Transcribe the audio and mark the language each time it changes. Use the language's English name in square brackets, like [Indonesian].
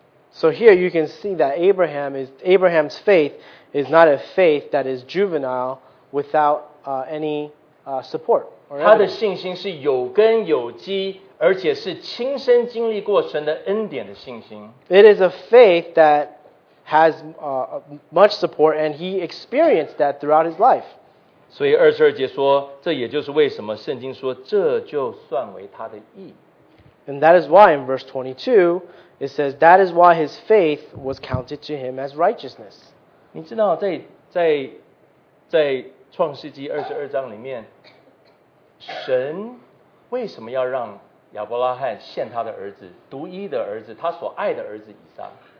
[English] So here you can see that Abraham's faith is not a faith that is juvenile without any support. [Chinese] 他的信心是有根有基, 而且是亲身经历过神的恩典的信心。 [English] It is a faith that has much support, and he experienced that throughout his life. [Chinese] 所以22节说, 这也就是为什么圣经说, 这就算为他的义。 [English] And that is why in verse 22, it says, that is why his faith was counted to him as righteousness. [Chinese] 你知道在创世纪22章里面, 神为什么要让 亚伯拉罕献他的儿子, 独一的儿子, 他所爱的儿子以撒。